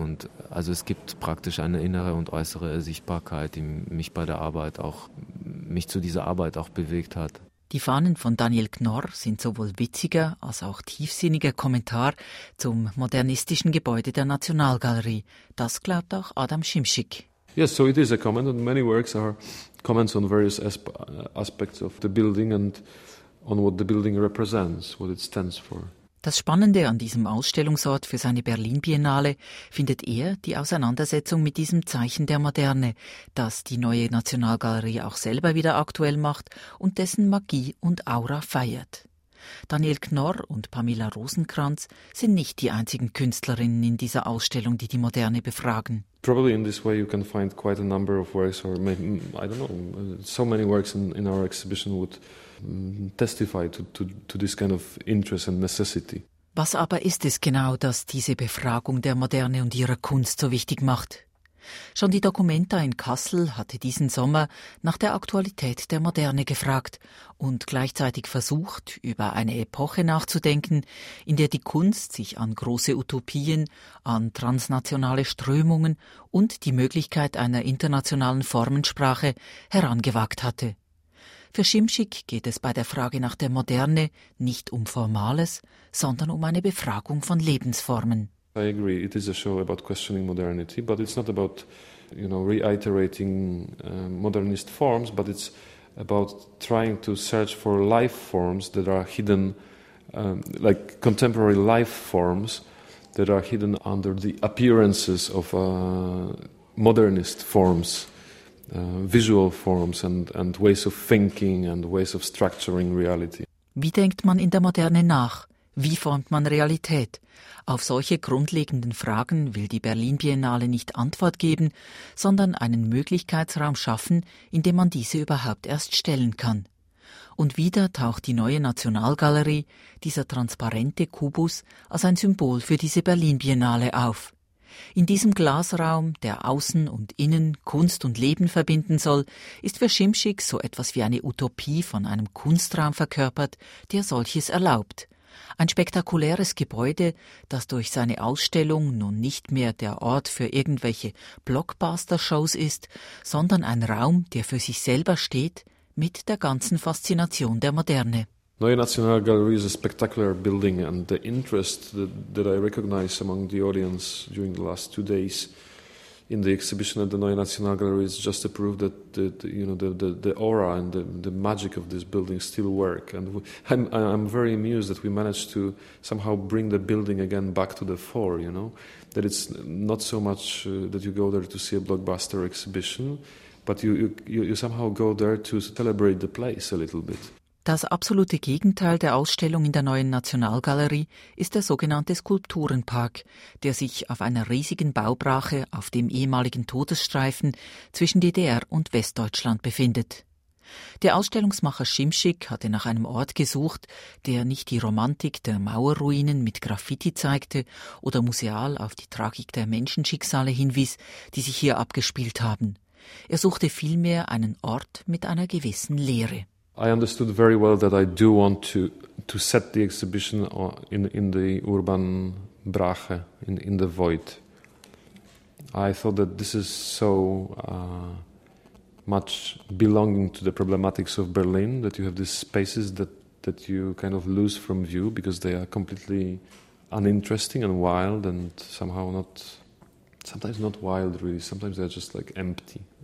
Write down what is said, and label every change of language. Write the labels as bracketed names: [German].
[German] Und also es gibt praktisch eine innere und äußere Sichtbarkeit, die mich bei der Arbeit auch, mich zu dieser Arbeit auch bewegt hat. Die Fahnen von Daniel Knorr sind sowohl witziger als auch tiefsinniger Kommentar zum modernistischen Gebäude der Nationalgalerie. Das glaubt auch Adam Schimschik. [English] Yes, so it is a comment and many works are comments on various aspects of the building and on what the building represents, what it stands for. [German] Das Spannende an diesem Ausstellungsort für seine Berlin-Biennale findet er die Auseinandersetzung mit diesem Zeichen der Moderne, das die neue Nationalgalerie auch selber wieder aktuell macht und dessen Magie und Aura feiert. Daniel Knorr und Pamela Rosenkranz sind nicht die einzigen Künstlerinnen in dieser Ausstellung, die Moderne befragen. [English] Probably in this way you can find quite a number of works or maybe, I don't know, so many works in our exhibition would testify to this kind of interest and necessity. [German] Was aber ist es genau, das diese Befragung der Moderne und ihrer Kunst so wichtig macht? Schon die Documenta in Kassel hatte diesen Sommer nach der Aktualität der Moderne gefragt und gleichzeitig versucht, über eine Epoche nachzudenken, in der die Kunst sich an große Utopien, an transnationale Strömungen und die Möglichkeit einer internationalen Formensprache herangewagt hatte. Für Schimschik geht es bei der Frage nach der Moderne nicht um Formales, sondern um eine Befragung von Lebensformen. [English] I agree, it is a show about questioning modernity, but it's not about, you know, reiterating modernist forms, but it's about trying to search for life forms that are hidden, like contemporary life forms that are hidden under the appearances of modernist forms. Visual forms and ways of thinking and ways of structuring reality. [German] Wie denkt man in der Moderne nach? Wie formt man Realität? Auf solche grundlegenden Fragen will die Berlin-Biennale nicht Antwort geben, sondern einen Möglichkeitsraum schaffen, in dem man diese überhaupt erst stellen kann. Und wieder taucht die neue Nationalgalerie, dieser transparente Kubus, als ein Symbol für diese Berlin-Biennale auf. In diesem Glasraum, der Außen und Innen Kunst und Leben verbinden soll, ist für Simsik so etwas wie eine Utopie von einem Kunstraum verkörpert, der solches erlaubt. Ein spektakuläres Gebäude, das durch seine Ausstellung nun nicht mehr der Ort für irgendwelche Blockbuster-Shows ist, sondern ein Raum, der für sich selber steht, mit der ganzen Faszination der Moderne. [English] Neue Nationalgalerie is a spectacular building, and the interest that I recognize among the audience during the last 2 days in the exhibition at the Neue Nationalgalerie is just a proof that the aura and the magic of this building still work. And I'm very amused that we managed to somehow bring the building again back to the fore. You know, that it's not so much that you go there to see a blockbuster exhibition, but you somehow go there to celebrate the place a little bit. [German] Das absolute Gegenteil der Ausstellung in der neuen Nationalgalerie ist der sogenannte Skulpturenpark, der sich auf einer riesigen Baubrache auf dem ehemaligen Todesstreifen zwischen DDR und Westdeutschland befindet. Der Ausstellungsmacher Simsik hatte nach einem Ort gesucht, der nicht die Romantik der Mauerruinen mit Graffiti zeigte oder museal auf die Tragik der Menschenschicksale hinwies, die sich hier abgespielt haben. Er suchte vielmehr einen Ort mit einer gewissen Leere. [English] I understood very well that I do want to set the exhibition in the urban brache, in the void. I thought that this is so much belonging to the problematics of Berlin, that you have these spaces that you kind of lose from view because they are completely uninteresting and wild and somehow not, sometimes not wild really, sometimes they're just like empty.